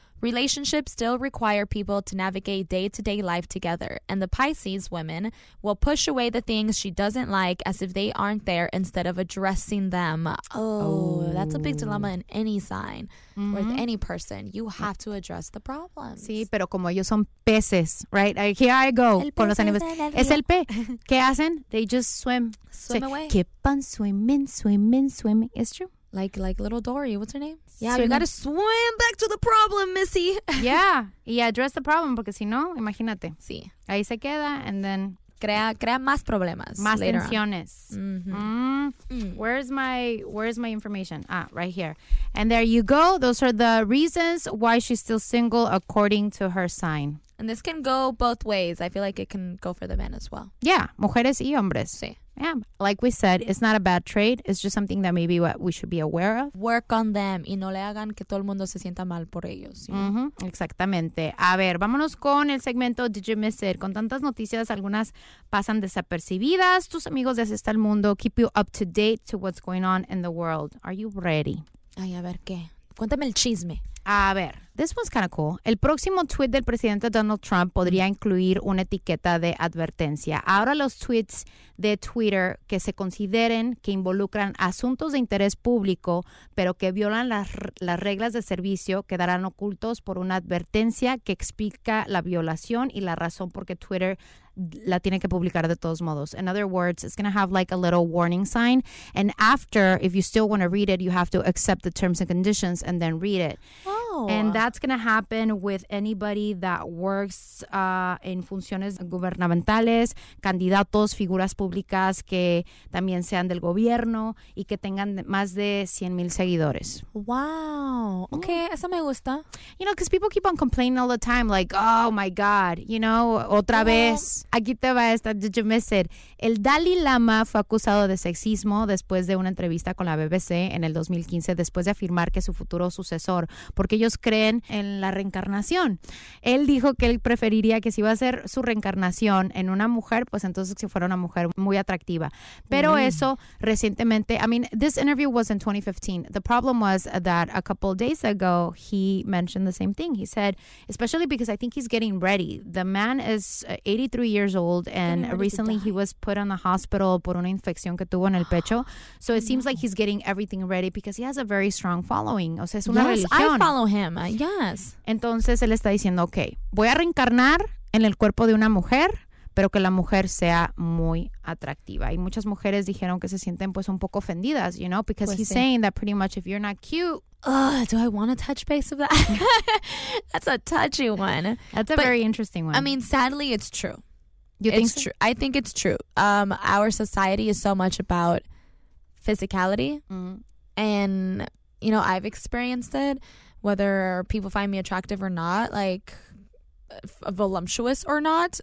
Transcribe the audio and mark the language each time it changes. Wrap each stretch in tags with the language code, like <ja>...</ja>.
<en>Relationships still require people to navigate day-to-day life together, and the Pisces women will push away the things she doesn't like as if they aren't there instead of addressing them. Oh, that's a big dilemma in any sign mm-hmm. with any person. You have to address the problem.</en> <es>Sí, pero como ellos son peces,</es> <en>right? Here I go.</en> <es>Con los animales. Es el pez. ¿Qué hacen?</es> <en>They just swim. Swim away. Keep on swimming. It's true. Like little Dory. What's her name? Yeah, so you got to swim back to the problem, Missy.</en> <es>Yeah. Y</es> <en>address the problem,</en> <es>porque si no, imagínate. Sí. Ahí se queda,</es> <en>and then...</en> <es>Crea más problemas. Más tensiones.</es> <en>Mm-hmm. Mm. Where's my information? Ah, right here. And there you go. Those are the reasons why she's still single, according to her sign. And this can go both ways. I feel like it can go for the men as well.</en> <es>Yeah. Mujeres y hombres. Sí.</es> <en>Yeah, like we said, it's not a bad trait. It's just something that maybe what we should be aware of. Work on them.</en> <es>Y no le hagan que todo el mundo se sienta mal por ellos. ¿Sí? Mm-hmm. Exactamente. A ver, vámonos con el segmento Did You Miss It? Con tantas noticias, algunas pasan desapercibidas. Tus amigos de Asista al Mundo</es> <en>keep you up to date to what's going on in the world. Are you ready?</en> <es>Ay, a ver, ¿qué? Cuéntame el chisme. A ver,</es> <en>this one's kind of cool.</en> <es>El próximo tweet del presidente Donald Trump podría incluir una etiqueta de advertencia. Ahora los tweets de Twitter que se consideren que involucran asuntos de interés público, pero que violan las reglas de servicio, quedarán ocultos por una advertencia que explica la violación y la razón por qué Twitter la tiene que publicar de todos modos.</es> <en>In other words, it's going to have like a little warning sign. And after, if you still want to read it, you have to accept the terms and conditions and then read it. Oh. And that's going to happen with anybody that works in</en> <es>funciones gubernamentales, candidatos, figuras públicas que también sean del gobierno y que tengan más de 100,000 seguidores. Wow. Okay, eso me gusta.</es> <en>You know, because people keep on complaining all the time, like, oh my God, you know,</en> <es>otra vez. Aquí te va esta, Did You Miss It? El Dalai Lama fue acusado de sexismo después de una entrevista con la BBC en el 2015, después de afirmar que su futuro sucesor, porque ellos creen en la reencarnación. Él dijo que él preferiría que si iba a ser su reencarnación en una mujer, pues entonces que fuera una mujer muy atractiva. Pero eso recientemente,</es> <en>I mean, this interview was in 2015. The problem was that a couple days ago, he mentioned the same thing. He said, especially because I think he's getting ready. The man is 83 years old and recently he was put in the hospital</en> <es>por una infección que tuvo en el pecho.</es> <en>So it seems like he's getting everything ready because he has a very strong following.</en> <es>O sea, es una religión.</es> <en>I follow him. Yes.</en> <es>Entonces él está diciendo, okay, voy a reencarnar en el cuerpo de una mujer, pero que la mujer sea muy atractiva. Y muchas mujeres dijeron que se sienten pues un poco ofendidas,</es> <en>you know, because</en> <es>pues</es> <en>he's saying that pretty much if you're not cute. Do I want to touch base with that? That's a touchy one. That's a very interesting one. I mean, sadly, it's true. You think it's true? I think it's true. Our society is so much about physicality. Mm-hmm. And, you know, I've experienced it, whether people find me attractive or not, like voluptuous or not.</en>